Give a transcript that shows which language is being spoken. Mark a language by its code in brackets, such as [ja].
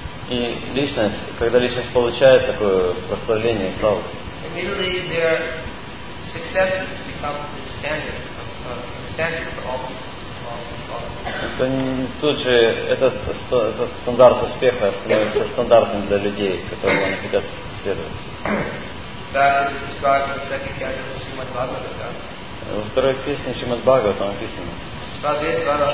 [ru] И личность, когда личность получает такое прославление и славу. [en] Immediately their successes become the standard of standard for all people. [ru] Это тут же этот стандарт успеха становится стандартом для людей, которым они хотят следовать. Во второй песне Шримад Бхагава там описано.